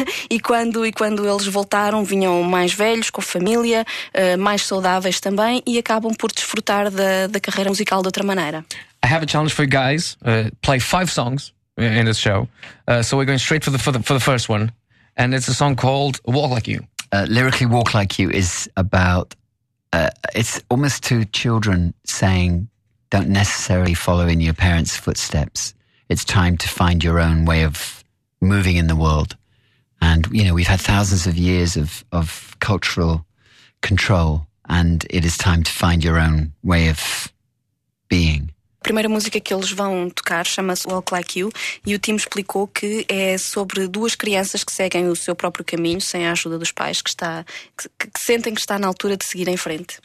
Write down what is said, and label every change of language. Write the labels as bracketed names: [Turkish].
[Portuguese] E quando eles voltaram, vinham mais velhos, com a família, mais saudáveis também, e acabam por desfrutar da carreira musical de outra maneira. [English] I have a challenge for you guys. Play 5 songs in this show. So we're going straight for the first one. And it's a song called Walk Like You. Lyrically, Walk Like You is about... it's almost two children saying don't necessarily follow in your parents' footsteps. It's time to find your own way of moving in the world. And, you know, we've had thousands of years of cultural control, and it is time to find your own way of being. [Portuguese] A primeira música que eles vão tocar chama-se Walk Like You, e o Tim explicou que é sobre duas crianças que seguem o seu próprio caminho, sem a ajuda dos pais, que sentem que está na altura de seguir em frente.